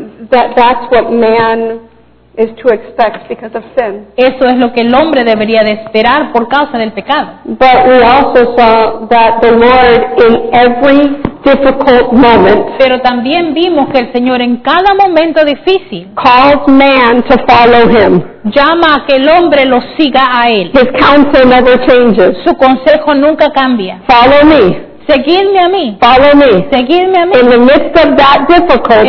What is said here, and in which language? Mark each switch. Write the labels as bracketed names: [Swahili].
[English] That's what man is to expect because of sin. [Spanish] Eso es lo que el hombre debería de esperar por causa del pecado. [English] But we also saw that the Lord in every difficult moment. [Spanish] Pero también vimos que el Señor en cada momento difícil [English] calls man to follow Him. [Spanish] Llama a que el hombre lo siga a él. [English] His counsel never changes. [Spanish] Su consejo nunca cambia. [English] Follow me. [Spanish] Seguirme a mí. [English] Follow me. [Spanish] Seguirme a mí. [English] In the midst of that difficulty,